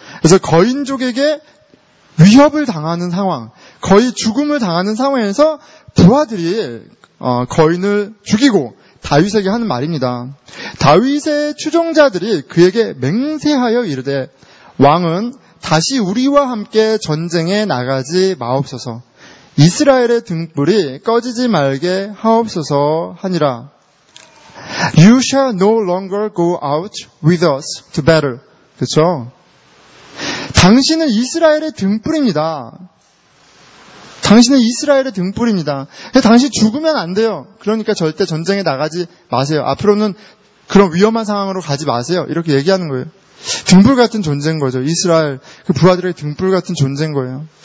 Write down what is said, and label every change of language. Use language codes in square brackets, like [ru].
[ko] 그래서 거인족에게 위협을 당하는 상황, 거의 죽음을 당하는 상황에서 부하들이 거인을 죽이고 다윗에게 하는 말입니다. 다윗의 추종자들이 그에게 맹세하여 이르되 왕은 다시 우리와 함께 전쟁에 나가지 마옵소서. 이스라엘의 등불이 꺼지지 말게 하옵소서 하니라. [en] You shall no longer go out with us to battle. [ko] 그렇죠? 당신은 이스라엘의 등불입니다. 당신은 이스라엘의 등불입니다. 당신 죽으면 안 돼요. 그러니까 절대 전쟁에 나가지 마세요. 앞으로는 그런 위험한 상황으로 가지 마세요. 이렇게 얘기하는 거예요. 등불 같은 존재인 거죠. 이스라엘 그 부하들의 등불 같은 존재인 거예요.